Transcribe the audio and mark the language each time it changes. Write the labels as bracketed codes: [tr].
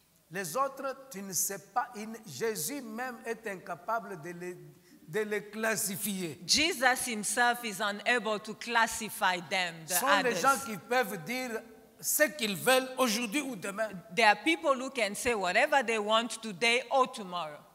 [fr] Les autres, tu ne sais pas, Jésus même est incapable de les classifier. [en] Jesus himself is unable to classify them, the [fr] sont [en] others. [fr] Sont les gens qui peuvent dire ce qu'ils veulent aujourd'hui ou demain. [en] There are people who can say whatever they want today or tomorrow.